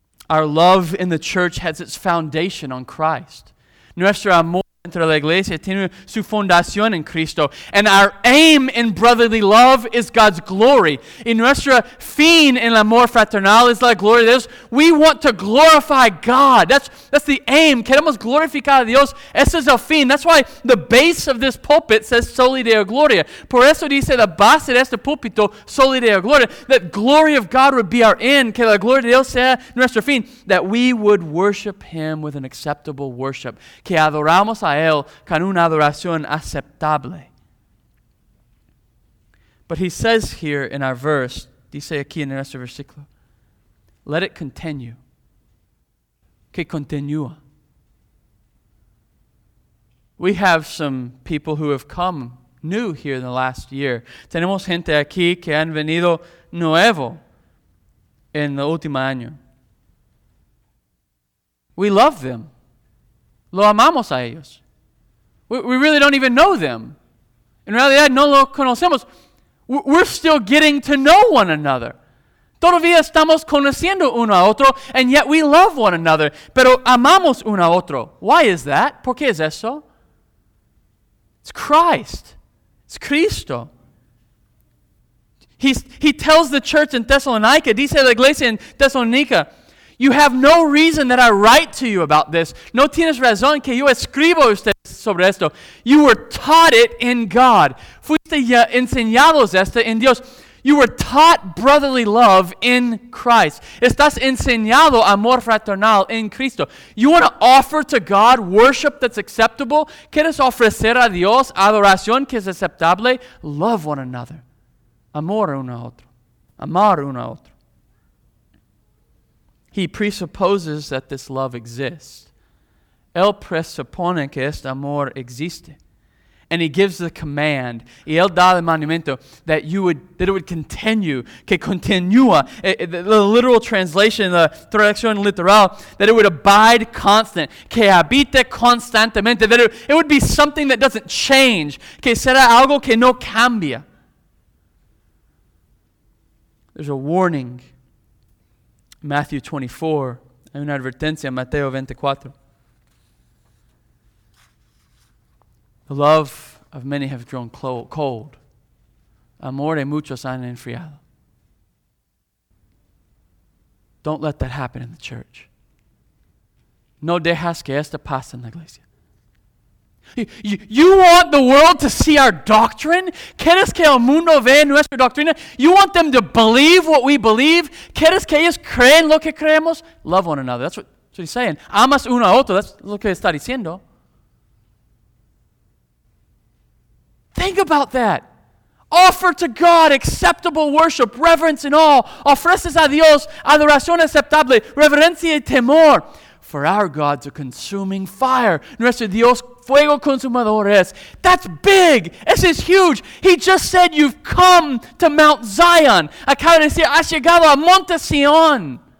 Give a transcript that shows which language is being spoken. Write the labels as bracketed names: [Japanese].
[English] Our love in the church has its foundation on Christ. [Spanish] Nuestro amor entre la iglesia tiene su fundación en Cristo. [English] And our aim in brotherly love is God's glory. [Spanish] Y nuestro fin en el amor fraternal es la gloria de Dios. [English] We want to glorify God. That's the aim. [Spanish] Queremos glorificar a Dios. Ese es el fin. [English] That's why the base of this pulpit says Soli Deo Gloria. [Spanish] Por eso dice la base de este púlpito Soli Deo Gloria. [English] That glory of God would be our end. [Spanish] Que la gloria de Dios sea nuestro fin. [English] That we would worship Him with an acceptable worship. [Spanish] Que adoramos a él con una adoración aceptable. [English] But he says here in our verse, [Spanish] dice aquí en nuestro versículo, [English] let it continue. [Spanish] Que continúa. [English] We have some people who have come new here in the last year. [Spanish] Tenemos gente aquí que han venido nuevo en el último año. [English] We love them. [Spanish] Lo amamos a ellos. [English] We really don't even know them. [Spanish] En realidad, no lo conocemos. [English] We're still getting to know one another. [Spanish] Todavía estamos conociendo uno a otro, [English] and yet we love one another. [Spanish] Pero amamos uno a otro. [English] Why is that? [Spanish] ¿Por qué es eso? [English] It's Christ. [Spanish] It's Cristo. [English] He tells the church in Thessalonica, [Spanish] dice la iglesia en Thessalonica, [English] you have no reason that I write to you about this. [Spanish] No tienes razón que yo escribo usted sobre esto. [English] You were taught it in God. [Spanish] Fuiste enseñados esto en Dios. [English] You were taught brotherly love in Christ. [Spanish] Estás enseñado amor fraternal en Cristo. [English] You want to offer to God worship that's acceptable? [Spanish] ¿Quieres ofrecer a Dios adoración que es aceptable? [English] Love one another. [Spanish] Amor uno a otro. Amar uno a otro. [English] He presupposes that this love exists. [Spanish] Él presupone que este amor existe. [English] And he gives the command, [Spanish] y él da el mandamiento, [English] that it would continue, [Spanish] que continúa. [English] The literal translation, the [Spanish] traducción literal, [English] that it would abide constant, [Spanish] que habite constantemente, [English] that it would be something that doesn't change, [Spanish] que será algo que no cambia. [English] There's a warning. Matthew 24, [Spanish] hay una advertencia, Mateo 24. [English] The love of many have grown cold. [Spanish] Amor de muchos han enfriado. [English] Don't let that happen in the church. [Spanish] No dejas que esto pase en la iglesia. [English] You want the world to see our doctrine? [Spanish] ¿Quieres que el mundo vea nuestra doctrina? [English] You want them to believe what we believe? [Spanish] ¿Quieres que ellos creen lo que creemos? [English] Love one another. That's what he's saying. [Spanish] Amas uno a otro. That's lo que está diciendo. [English] Think about that. Offer to God acceptable worship, reverence and awe. [Spanish] Ofreces a Dios adoración aceptable, reverencia y temor. [English] For our God's a consuming fire. [Spanish] Nuestro Dios fuego consumador es. [English] That's big. This is huge. He just said you've come to Mount Zion. [Spanish] Acaba de decir, has llegado a Monte Sion.